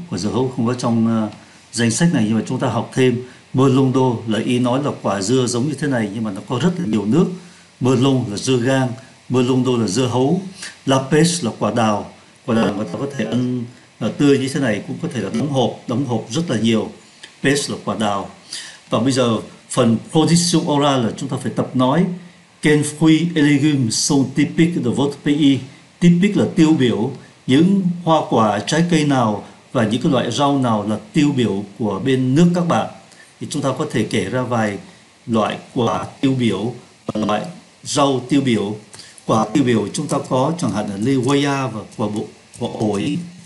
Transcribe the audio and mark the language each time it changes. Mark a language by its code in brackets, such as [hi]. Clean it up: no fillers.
[vi] Quả dưa hấu không có trong danh sách này nhưng mà chúng ta học thêm melon d'eau là ý nói là quả dưa giống như thế này nhưng mà nó có rất là nhiều nước. Melon là dưa gang, melon d'eau là dưa hấu. La pêche là quả đào. Quả đào người ta có thể ăn tươi như thế này, cũng có thể là đóng hộp rất là nhiều. Pêche là quả đào. Và bây giờ phần position oral là chúng ta phải tập nói. [fr] Quels fruits et légumes sont typiques de votre pays? [vi] Typique là tiêu biểu. Những hoa quả, trái cây nào và những cái loại rau nào là tiêu biểu của bên nước các bạn? Thì chúng ta có thể kể ra vài loại quả tiêu biểu và loại rau tiêu biểu. Quả tiêu biểu chúng ta có chẳng hạn là lê hoa và quả ổi.